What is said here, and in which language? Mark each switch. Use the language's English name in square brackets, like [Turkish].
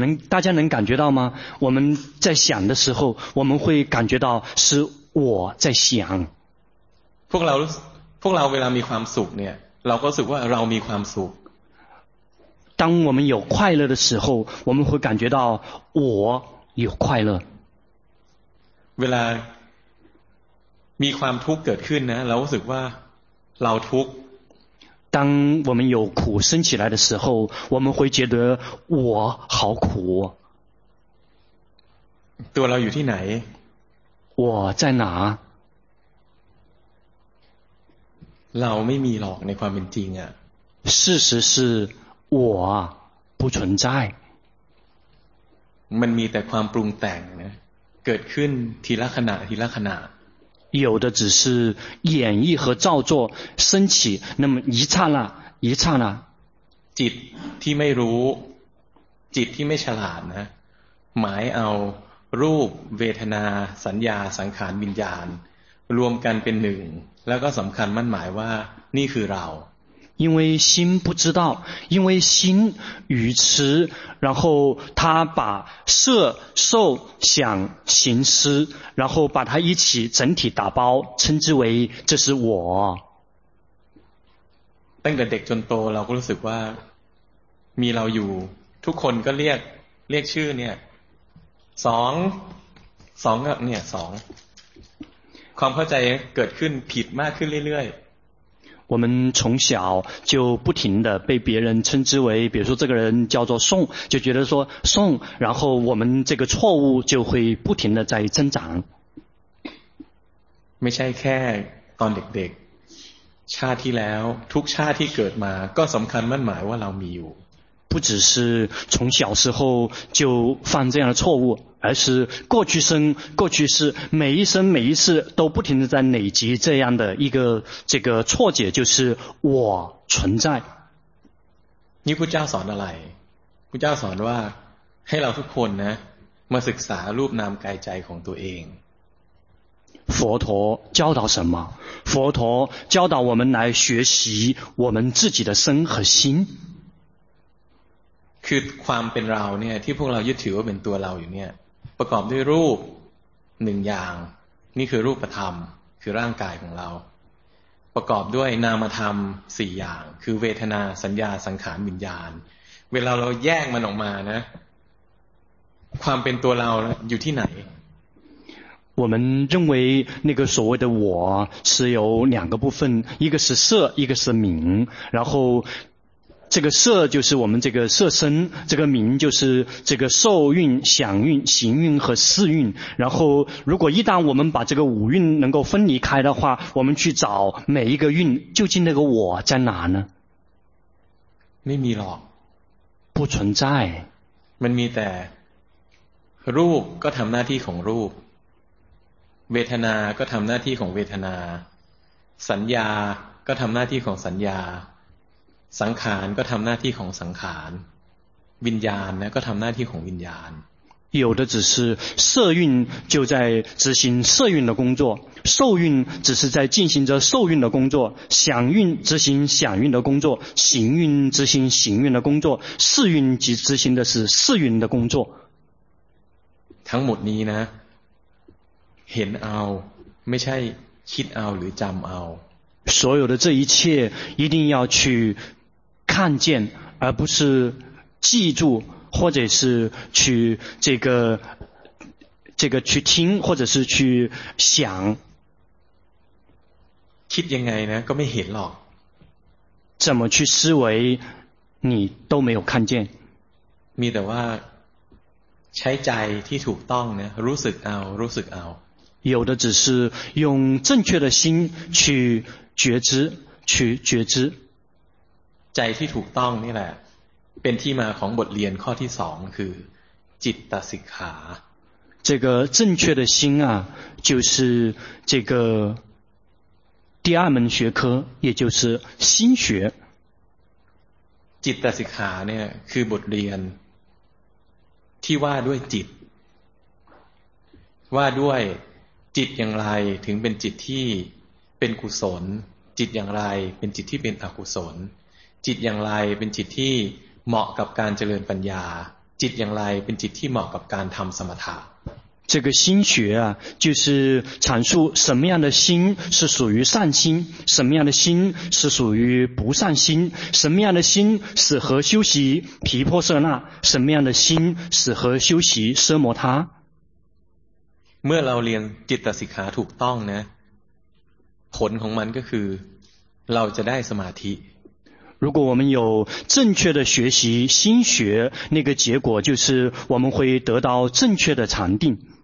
[Chinese] 大家能感觉到吗我们在想的时候我们会感觉到是我在想 [Thai] พวกเราเวลามีความสุขเนี่ยเราก็รู้สึกว่าเรามีความสุข [Chinese] 当我们有快乐的时候我们会感觉到我有快乐 [Thai] เวลามีความทุกข์เกิดขึ้นนะเรารู้สึกว่าเราทุกข์ [Chinese] 当我们有苦生起来的时候我们会觉得我好苦 [Thai] ตัวเราอยู่ที่ไหน [Chinese] 我在哪 [Thai] เราไม่มีหรอกในความเป็นจริงอ่ะ [Chinese] 事实是我不存在 [Thai] มันมีแต่ความปรุงแต่งนะเกิดขึ้นทีละขณะทีละขณะ [Chinese] 有的只是演绎和造作升起那么一刹那一刹那 [Thai] จิตที่ไม่รู้จิตที่ไม่ฉลาดนะหมายเอารูปเวทนาสัญญาสังขารวิญญาณรวมกันเป็นหนึ่งแล้วก็สำคัญมั่นหมายว่านี่คือเรา [Chinese] 因为心不知道因为心愚痴然后他把色受想行识然后把它一起整体打包称之为这是我 [Thai] ตั้งแต่เด็กจนโตเราก็รู้สึกว่ามีเราอยู่ทุกคนก็เรียกชื่อเนี่ยสองเนี่ยสองความเข้าใจเกิดขึ้นผิดมากขึ้นเรื่อย [Chinese] ๆ我们从小就不停的被别人称之为比如说这个人叫做宋就觉得说宋然后我们这个错误就会不停的在增长 [Thai] ไม่ใช่แค่ตอนเด็กๆชาติที่แล้วทุกชาติที่เกิดมาก็สำคัญมั่นหมายว่าเรามีอยู่ [Chinese] 不只是从小时候就犯这样的错误而是过去生过去世每一生每一次都不停地在累积这样的一个这个错解就是我存在你不教 [Thai] สอนอะไร [Chinese] 不教 [Thai] สอนว่าให้เราทุกคนนะมาศึกษารูปนามกายใจของตัวเอง [Chinese] 佛陀教导什么佛陀教导我们来学习我们自己的身和心 [Thai] คือความเป็นเราเนี่ยที่พวกเรายึดถือว่าเป็นตัวเราอยู่เนี่ยประกอบด้วยรูปหนึ่งอย่างนี่คือรูปธรรมคือร่างกายของเราประกอบด้วยนามธรรมสี่อย่างคือเวทนาสัญญาสังขารวิญญาณเวลาเราแยกมันออกมานะความเป็นตัวเราอยู่ที่ไหน [Chinese] 我们认为那个所谓的我是有两个部分一个是色一个是名然后这个色就是我们这个色身这个名就是这个受蕴想蕴行蕴和识蕴然后如果一旦我们把这个五蕴能够分离开的话我们去找每一个蕴究竟那个我在哪呢没有了不存在没有的 [Thai] rup ก็ทำหน้าที่ของ rup เวทนาก็ทำหน้าที่ของเวทนาสัญญาก็ทำหน้าที่ของสัญญาสังขารก็ทำหน้าที่ของสังขารวิญญาณนะก็ทำหน้าที่ของวิญญาณ [Chinese] 有的只是色蕴就在执行色蕴的工作受运只是在进行着受运的工作，想运执行想运的工作，行运执行行运的工作，事运即执行的是事运的工作。 [Thai] ทั้งหมดนี้นะเห็นเอาไม่ใช่คิดเอาหรือจำเอา [Chinese] 所有的这一切一定要去看见，而不是记住，或者是去这个去听，或者是去想。 [Thai] คิดยังไงนะก็ไม่เห็นหรอก [Chinese] 怎么去思维，你都没有看见。 [Thai] มีแต่ว่าใช้ใจที่ถูกต้องนะรู้สึกเอารู้สึกเอา [Chinese] 有的只是用正确的心去觉知去觉知 [Thai] ใจที่ถูกต้องนี่แหละเป็นที่มาของบทเรียนข้อที่สองคือจิตตสิกขา [Chinese] 这个正确的心啊就是这个第二门学科也就是心学 [Thai] จิตตสิกขาเนี่ยคือบทเรียนที่ว่าด้วยจิตว่าด้วยจิตอย่างไรถึงเป็นจิตที่เป็นกุศลจิตอย่างไรเป็นจิตที่เป็นอกุศลจิตอย่างไรเป็นจิตที่เหมาะกับการเจริญปัญญาจิตอย่างไรเป็นจิตที่เหมาะกับการทำสมถะ [Chinese] 这个心学啊就是阐述什么样的心是属于善心什么样的心是属于不善心什么样的心适合修习毗婆舍那什么样的心适合修习奢摩他 [Thai] เมื่อเราเรียนจิตสิกขาถูกต้องนะผลของมันก็คือเราจะได้สมาธิ [Chinese] 如果我们有正确的学习心学那个结果就是我们会得到正确的禅定